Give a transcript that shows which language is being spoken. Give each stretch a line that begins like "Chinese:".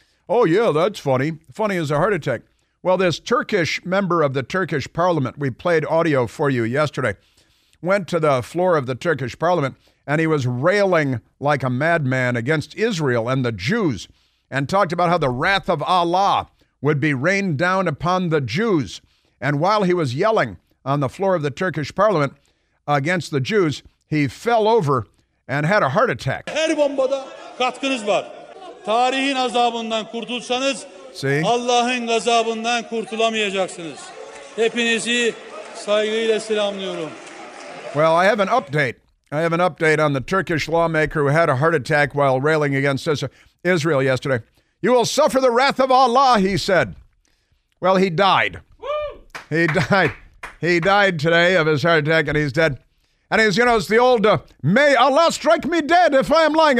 English: Oh, yeah, that's funny. Funny as a heart attack. Well, this Turkish member of the Turkish parliament, we played audio for you yesterday, went to the floor of the Turkish parliament, and he was railing like a madman against Israel and the Jews, and talked about how the wrath of Allah would be rained down upon the Jews. And while he was yelling on the floor of the Turkish parliament against the Jews, he fell over and had a heart attack.
Turkish: Her bombada katkınız var. Tarihin azabından kurtulsanız, Allah'ın gazabından kurtulamayacaksınız. Hepinizi saygıyla selamlıyorum.
English: Well, I have an update. I have an update on the Turkish lawmaker who had a heart attack while railing against Israel yesterday. You will suffer the wrath of Allah, he said. Well, he died. Woo! He died. He died today of his heart attack, and he's dead. And he's, you know, it's the old, may Allah strike me dead if I am lying.